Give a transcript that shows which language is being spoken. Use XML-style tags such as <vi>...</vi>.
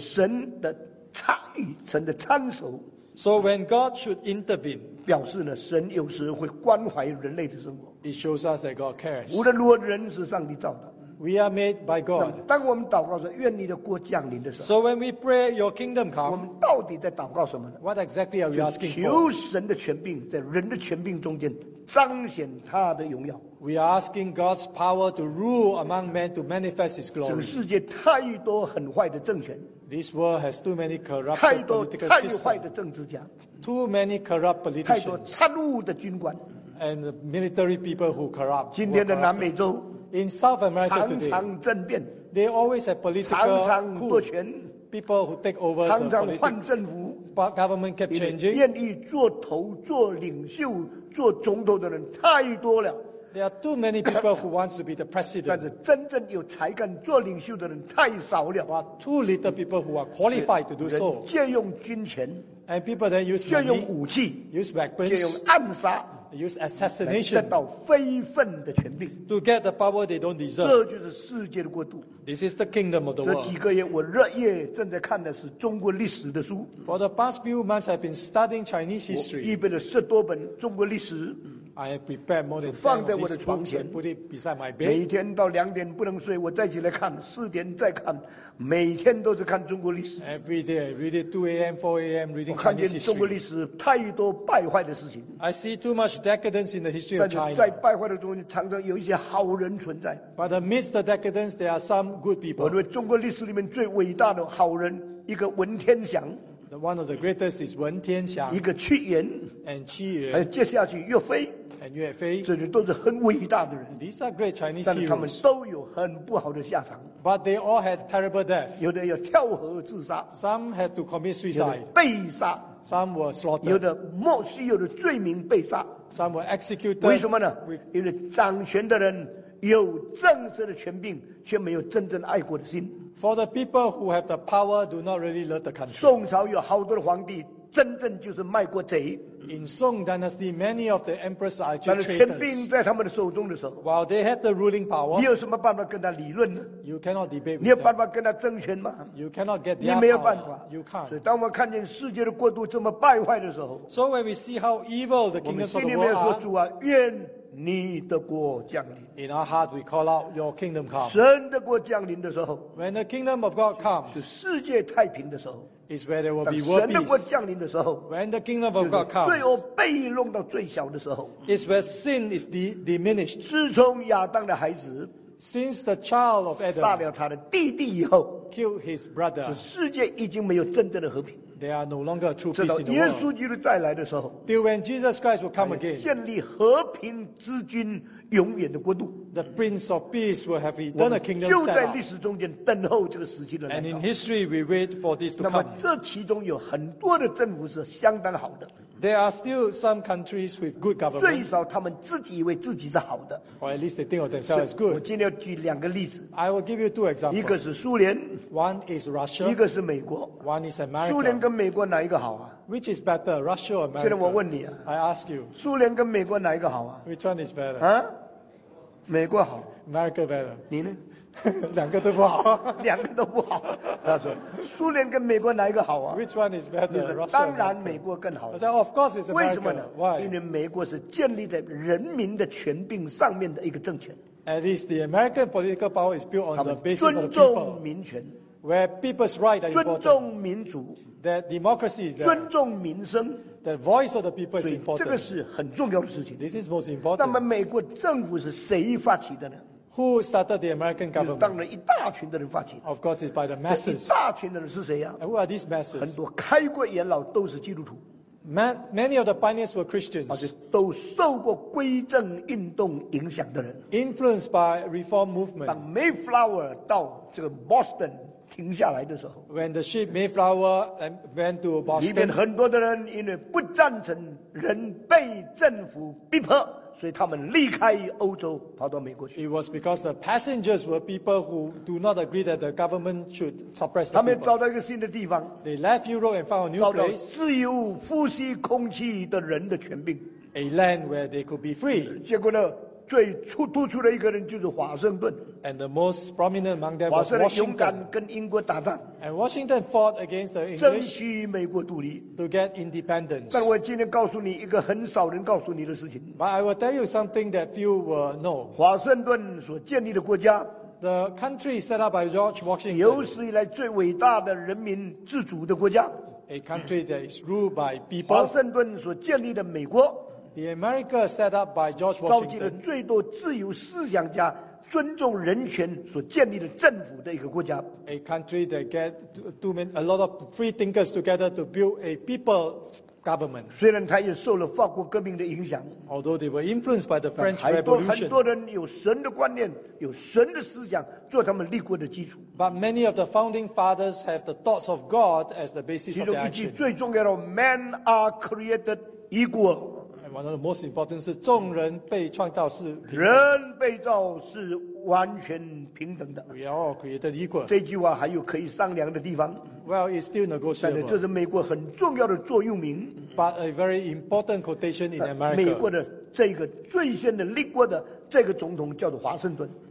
<zh>神的参与，神的参手。</zh> <en>So when God should intervene,</en> <zh>表示呢，神有时会关怀人类的生活。</zh> <en>It shows us that God cares.</en> <zh>无论如何，人是上帝造的。</zh> <en>We are made by God.</en> <zh>当我们祷告说愿你的国降临的时候</zh> <en>，So when we pray your kingdom come,</en> <zh>我们到底在祷告什么呢</zh> <en>？What exactly are we asking for?</en> <zh>求神的权柄在人的权柄中间彰显他的荣耀。</zh> <en>We are asking God's power to rule among men to manifest His glory.</en> <zh>这个世界太多很坏的政权。</zh> <en>This world has too many corrupt political systems.</en> <zh>太坏的政治家。</zh> <en>Too many corrupt politicians.</en> <zh>太多贪污的军官。</zh> <en>And military people who corrupt.</en> <zh>今天的南美洲。</zh> <en>In South America today,</en> <zh>常常政变</zh> <en>they always have political</en> <zh>常常夺权</zh> <en>people who take over</en> <zh>常常换政府</zh> <en>but government kept changing.</en> <zh>愿意做头、做领袖、做总统的人太多了</zh> <en>There are too many people who want to be the president.</en> <zh>但是真正有才干做领袖的人太少了</zh> <en>but too little people who are qualified to do so.</en> <zh>借用军权</zh> <en>and people then use money,</en> <zh>借用武器</zh> <en>use weapons,</en> <zh>借用暗杀</zh> <en>Use assassination</en> <zh>得到非分的权柄</zh> <en>to get the power they don't deserve.</en> <zh>这就是世界的国度。</zh> <en>This is the kingdom of the world.</en> <zh>这几个月我热夜正在看的是中国历史的书。</zh> <en>For the past few months, I've been studying Chinese history.</en> <zh>我预备了十多本中国历史。</zh> <en>I have prepared more than</en> <zh>放在我的床前</zh> <en>，put it beside my bed.</en> <zh>每天到两点不能睡，我再起来看，四点再看，每天都是看中国历史。</zh> <en>Every day, read it 2 a.m., 4 a.m. reading.</en> <zh>我看见中国历史太多败坏的事情。</zh> <en>I see too much decadence in the history of China.</en> <zh>但是在败坏的中间，常常有一些好人存在。</zh> <en>But amidst the decadence, there are some good people.</en> <zh>我认为中国历史里面最伟大的好人，一个文天祥。</zh> <en>The one of the greatest is 文天祥。</en> <zh>一个屈原。</zh> <en>And 屈原。</en> <zh>还有接下去岳飞。</zh> <en>And 岳飞，</en> <zh>这些都是很伟大的人。</zh> <en>These are great Chinese heroes.</en> <zh>但是他们都有很不好的下场。</zh> <en>But they all had terrible death.</en> <zh>有的要跳河自杀。</zh> <en>Some had to commit suicide.</en> <zh>被杀。</zh> <en>Some were slaughtered.</en> <zh>有的莫须有的罪名被杀。</zh> <en>Some were executed.</en> <zh>为什么呢？</zh> <en>With...</en> <zh>因为掌权的人有政治的权柄，却没有真正爱国的心。</zh> <en>For the people who have the power, do not really love the country.</en> <zh>宋朝有好多的皇帝。真正就是卖国贼。</zh> <en>In Song Dynasty, many of the emperors are traitors.</en> <zh>但是权柄在他们的手中的时候</zh> <en>，while they had the ruling power,</en> <zh>你有什么办法跟他理论呢</zh> <en>？You cannot debate with them.</en> <zh>你有办法跟他争权吗</zh> <en>？You cannot get their power.</en> <zh>你没有办法</zh> <en>，You can't.</en> <zh>所以当我看见世界的国度这么败坏的时候</zh> <en>，So when we see how evil the kingdom of the world are,</en> <zh>我们心里面说主啊，愿你的国降临。</zh> <en>In our heart, we call out, Your kingdom come.</en> <zh>神的国降临的时候</zh> <en>，When the kingdom of God comes,</en> <zh>是世界太平的时候。</zh> <en>Is where there will be world peace.</en> <zh>神的国降临的时候</zh> <en>，When the kingdom of God comes,</en> <zh>罪恶被弄到最小的时候</zh> <en>，Is where sin is diminished.</en> <zh>自从亚当的孩子</zh> <en>，Since the child of Adam</en> <zh>杀了他的弟弟以后</zh> <en>，Killed his brother,</en> <zh>世界已经没有真正的和平。</zh> <en>There are no longer true peace in the world.</en> <zh>直到耶稣基督再来的时候</zh> <en>，Till when Jesus Christ will come again,</en> <zh>建立和平之君永远的国度。</zh> <en>The Prince of Peace will have eternal kingdom set up.</en> <zh>就在历史中间等候这个时期的来到。</zh> <en>And in history, we wait for this to come.</en> <zh>那么这其中有很多的政府是相当好的。</zh> <en>There are still some countries with good government.</en> <zh>最少他们自己以为自己是好的。</zh> <en>Or at least they think of themselves as good.</en> <zh>我今天要举两个例子。</zh> <en>I will give you two examples.</en> <zh>一个是苏联。</zh> <en>One is Russia.</en> <zh>一个是美国。</zh> <en>One is America.</en> <zh>苏联跟美国哪一个好啊？</zh> <en>Which is better, Russia or America?</en> <zh>现在我问你啊。</zh> <en>I ask you.</en> <zh>苏联跟美国哪一个好啊？</zh> <en>Which one is better?</en> <zh>啊？美国好</zh> <en>，America better。</en> <zh>你呢？两个都不好，两个都不好。他说，苏联跟美国哪一个好啊</zh> <en>？Which one is better？</en> <zh>当然美国更好。</zh> <en>I said, of course it's America。</en> <zh>为什么呢</zh> <en>？Why？</en> <zh>因为美国是建立在人民的权柄上面的一个政权。</zh> <en>At least the American political power is built on the basis of the people。</en> <zh>尊重民权。</zh> <en>where people's rights are important.</en> <zh>尊重民主</zh> <en>that democracy is there.</en> <zh>尊重民生</zh> <en>the voice of the people is important.</en> <zh>这个是很重要的事情</zh> <en>This is most important.</en> <zh>那么美国政府是谁发起的呢？</zh> <en>Who started the American government?</en> <zh>当然一大群的人发起。</zh> <en>Of course, it's by the masses.</en> <zh>这一大群的人是谁呀？</zh> <en>And who are these masses?</en> <zh>很多开国元老都是基督徒。</zh> <en>Many of the pioneers were Christians.</en> <zh>都受过归正运动影响的人。</zh> <en>Influenced by reform movement.</en> <zh>当 Mayflower 到这个 Boston 停下来的时候。</zh> <en>When the ship Mayflower went to Boston.</en> <zh>里面很多的人因为不赞成人被政府逼迫。所以他们离开欧洲跑到美国去。</zh> <en>It was because the passengers were people who do not agree that the government should suppress the people.</en> <zh>他们找到一个新的地方。</zh> <en>They left Europe and found a new place.</en> <zh>找到自由呼吸空气的人的权柄。</zh> <en>A land where they could be free.</en> <zh>结果呢，最突出的一个人就是华盛顿。</zh> <en>And the most prominent among them was Washington.</en> <zh>华盛顿勇敢跟英国打仗。</zh> <en>And Washington fought against the English.</en> <zh>争取美国独立。</zh> <en>To get independence.</en> <zh>但我今天告诉你一个很少人告诉你的事情。</zh> <en>But I will tell you something that few will know.</en> <zh>华盛顿所建立的国家。</zh> <en>The country set up by George Washington.</en> <zh>有史以来最伟大的人民自主的国家。</zh> <en>A country that is ruled by people.</en> <zh>华盛顿所建立的美国。</zh> <en>The America set up by George Washington.</en> <zh>召集了最多自由思想家。尊重人权所建立的政府的一个国家</zh> <en>，a country that get too a lot of free thinkers together to build a people government。</en> <zh>虽然他也受了法国革命的影响</zh> <en>，although they were influenced by the French Revolution，</en> <zh>很多人有神的观念，有神的思想，做他们立国的基础。</zh> <en>But many of the founding fathers have the thoughts of God as the basis of their action。</en> <zh>其中一句最重要的 ，</zh> <en>Men are created equal。 One of the most important</en> <zh>是众人被创造是平等，人被造是完全平等的。</zh> <en>We are all created equal.</en> <zh>这句话还有可以商量的地方。</zh> <en>Well, it's still negotiable.</en> <zh>但是这是美国很重要的座右铭。</zh> <en>But a very important quotation in America.</en> <zh>美国的这个最先的立国的这个总统叫做华盛顿。</zh>